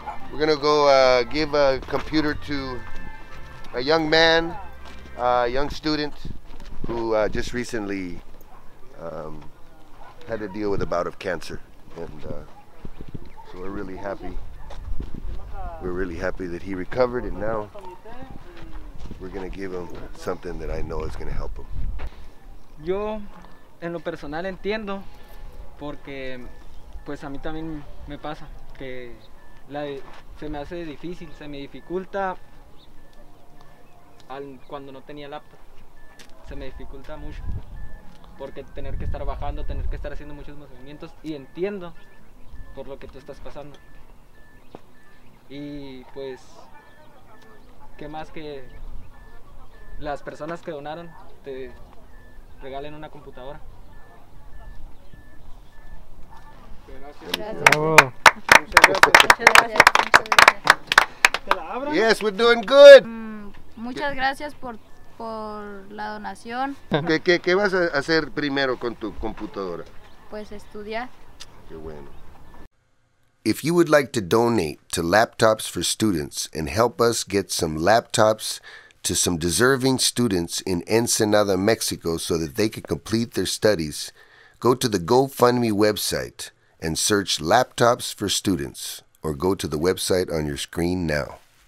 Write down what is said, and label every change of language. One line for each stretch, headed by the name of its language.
English: We're gonna go give a computer to a young man, a young student, who just recently had to deal with a bout of cancer. And so we're really happy. We're really happy that he recovered, and now we're going to give him something that I know is going to help him.
Spanish: Yo en lo personal entiendo porque pues a mí también me pasa que se me hace difícil, se me dificulta cuando no tenía laptop. Se me dificulta mucho porque tener que estar bajando, tener que estar haciendo muchos movimientos, y entiendo por lo que tú estás pasando. Y pues qué más que las personas que donaron te regalen una computadora. Gracias. Gracias. Bravo. Muchas gracias.
English: Yes, we're doing good.
Spanish: Muchas gracias por la donación. ¿Qué vas a hacer primero con tu computadora? Pues estudiar. Qué bueno.
English: If you would like to donate to Laptops for Students and help us get some laptops to some deserving students in Ensenada, Mexico, so that they can complete their studies, go to the GoFundMe website and search Laptops for Students, or go to the website on your screen now.